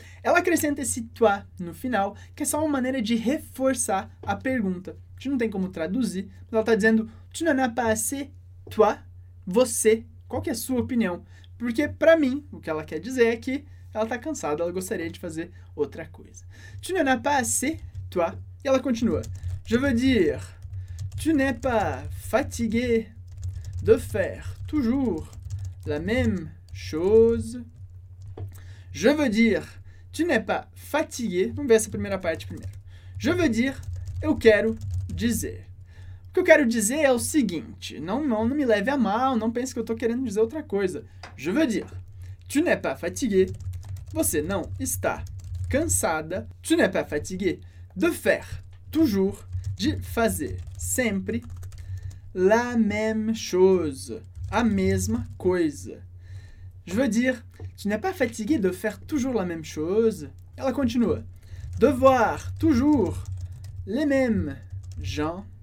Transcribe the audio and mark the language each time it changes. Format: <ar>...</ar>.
<pt>Ela acrescenta esse toi no final, que é só uma maneira de reforçar a pergunta. A gente não tem como traduzir, mas ela está dizendo</pt> <fr>tu n'en as pas assez, toi,</fr> <pt>você, qual que é a sua opinião? Porque, para mim, o que ela quer dizer é que ela está cansada, ela gostaria de fazer outra coisa.</pt> <fr>Tu n'en as pas assez, toi.</fr> <pt>E ela continua.</pt> <fr>Je veux dire, tu n'es pas fatigué de faire toujours la même chose. Je veux dire, tu n'es pas fatigué.</fr> <pt>Vamos ver essa primeira parte primeiro.</pt> <fr>Je veux dire,</fr> <pt>eu quero dizer. O que eu quero dizer é o seguinte, não me leve a mal, não pense que eu estou querendo dizer outra coisa.</pt> <fr>Je veux dire, tu n'es pas fatigué,</fr> <pt>você não está cansada.</pt> <fr>Tu n'es pas fatigué de faire, toujours,</fr> <pt>de fazer sempre,</pt> <fr>la même chose,</fr> <pt>a mesma coisa.</pt> <fr>Je veux dire, tu n'es pas fatigué de faire toujours la même chose.</fr> <pt>Ela continua,</pt> <fr>de voir toujours les mêmes gens.</fr>